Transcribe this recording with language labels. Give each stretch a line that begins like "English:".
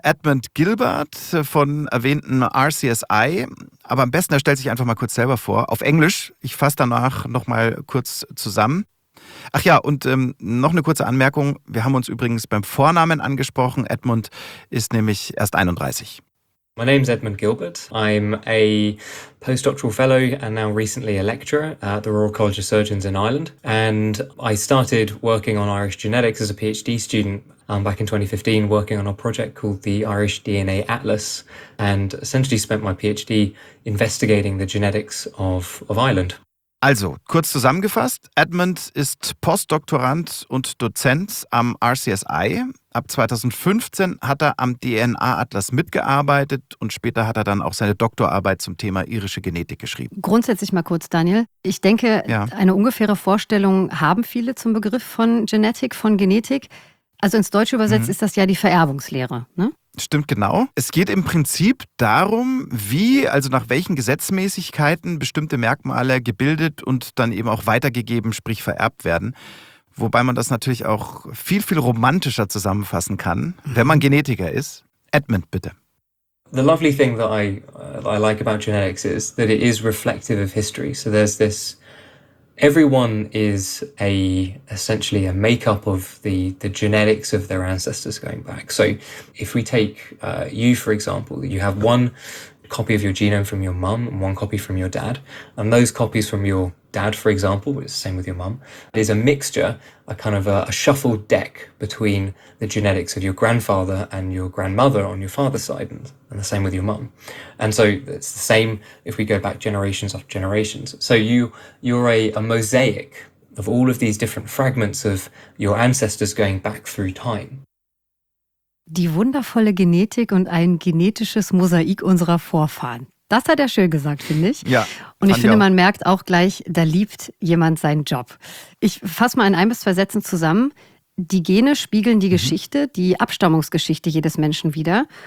German: Edmund Gilbert von erwähnten RCSI. Aber am besten, er stellt sich einfach mal kurz selber vor, auf Englisch. Ich fasse danach nochmal kurz zusammen. Ach ja, und noch eine kurze Anmerkung. Wir haben uns übrigens beim Vornamen angesprochen. Edmund ist nämlich erst 31.
English: My name is Edmund Gilbert. I'm a postdoctoral fellow and now recently a lecturer at the Royal College of Surgeons in Ireland. And I started working on Irish genetics as a PhD student back in 2015, working on a project called the Irish DNA Atlas, and essentially spent my PhD investigating the genetics of Ireland.
German: Also, kurz zusammengefasst, Edmund ist Postdoktorand und Dozent am RCSI. Ab 2015 hat er am DNA-Atlas mitgearbeitet und später hat er dann auch seine Doktorarbeit zum Thema irische Genetik geschrieben. Grundsätzlich mal kurz, Daniel. Ich denke, eine ungefähre Vorstellung haben viele zum Begriff von Genetik, von Genetik. Also ins Deutsche übersetzt ist das ja die Vererbungslehre, ne? Stimmt, genau. Es geht im Prinzip darum, wie, also nach welchen Gesetzmäßigkeiten bestimmte Merkmale gebildet und dann eben auch weitergegeben, sprich vererbt werden. Wobei man das natürlich auch viel, viel romantischer zusammenfassen kann, wenn man Genetiker ist. Edmund, bitte.
English: The lovely thing that I like about genetics is that it is reflective of history. So there's this, everyone is essentially a makeup of the genetics of their ancestors going back. So if we take you, for example, you have one copy of your genome from your mum and one copy from your dad, and those copies from your dad, for example, which is the same with your mum, is a mixture, a kind of a shuffled deck between the genetics of your grandfather and your grandmother on your father's side, and the same with your mum. And so it's the same if we go back generations after generations. So you're a mosaic of all of these different fragments of your ancestors going back through time.
German: Die wundervolle Genetik und ein genetisches Mosaik unserer Vorfahren. Das hat er schön gesagt, finde ich. Ja. Und ich finde, man merkt auch gleich, da liebt jemand seinen Job. Ich fasse mal in ein bis zwei Sätzen zusammen. Die Gene spiegeln die Geschichte, die Abstammungsgeschichte jedes Menschen wider.